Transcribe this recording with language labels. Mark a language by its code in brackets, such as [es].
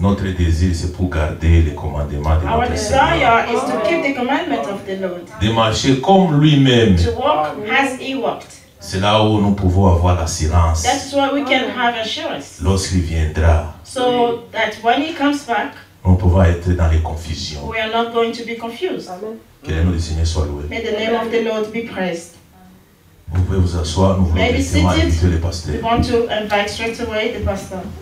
[fr] Notre désir, c'est pour garder les commandements de [en] our [fr] notre Seigneur. [en] Our desire is to keep the commandment of the Lord. [fr] De marcher comme lui-même. [en] To walk as he walked. [fr] C'est là où nous pouvons avoir l'assurance. [en] That's where we can have assurance. [fr] Lorsqu'il viendra. [en] So that when he comes back. [fr] Nous pouvons être dans les confusions. [en] We are not going to be confused. Amen. [fr] Que le nom du Seigneur soit loué. [en] May the name of the Lord be praised. [fr] Vous pouvez vous asseoir, nous voulons directement inviter le pasteur. [en] We want to invite straight away the pastor.